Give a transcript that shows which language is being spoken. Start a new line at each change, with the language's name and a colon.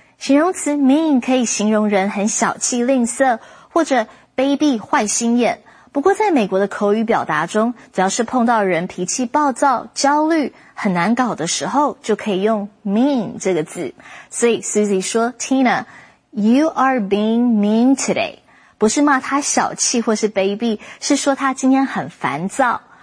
Chinese: 形容词 mean 可以形容人很小气吝啬, 或者卑鄙坏心眼。不过在美国的口语表达中, 只要是碰到人脾气暴躁、焦虑, 很难搞的时候, 就可以用 mean这个字。所以 Susie 说,
English: "Tina, you are being mean today."
Chinese: 不是骂她小气或是卑鄙, 是说她今天很烦躁。